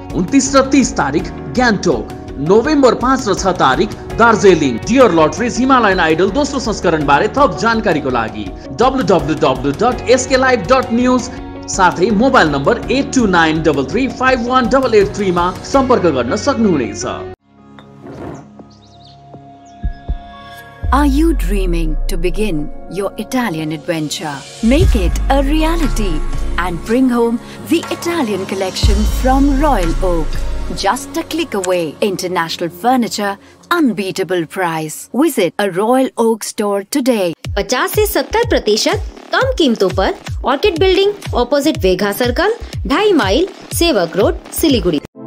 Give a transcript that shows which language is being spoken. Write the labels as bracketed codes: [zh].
[ne] 29 र 30 तारिक गान्तोक नोभेम्बर 5 र 6 तारिक Darjeeling dear lotteries Himalayan idol दोस्रो संस्करण बारे थप जानकारीको लागि www.sklive.news साथै मोबाइल नम्बर 8293351883 मा सम्पर्क गर्न सक्नुहुनेछ [en] Are you dreaming to begin your Italian adventure? Make it a reality and bring home the Italian collection from Royal Oak. Just a click away. International furniture, unbeatable price. Visit a Royal Oak store today. [hi] 50-70% कम कीमतों पर orchid building opposite वेघा circle 2.5 mile सेवक road Siliguri